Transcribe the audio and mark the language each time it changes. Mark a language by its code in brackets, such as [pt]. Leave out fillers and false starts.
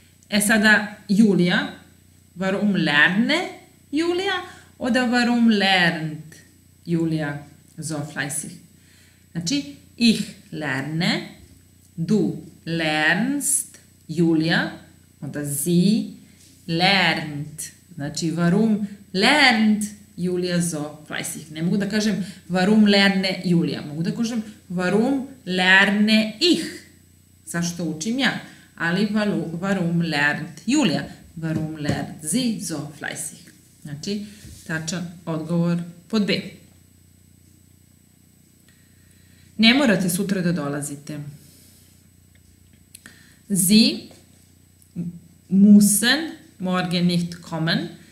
[de] E sada, Julia, warum lerne Julia oder warum lernt Julia so fleißig? Znači, ich lerne, du lernst Julia oder sie lernt. Znači, warum lernt Julia so fleißig? [sr] Ne mogu da kažem [de] warum lerne Julia, [sr] mogu da kažem [de] warum lerne ich. [sr] Zašto učim ja? [de] Ali warum lernt Julia? Warum lernt sie so fleißig? [sr] Znači, tačan odgovor pod B. Ne morate sutra da dolazite. [de] Sie müssen morgen nicht kommen.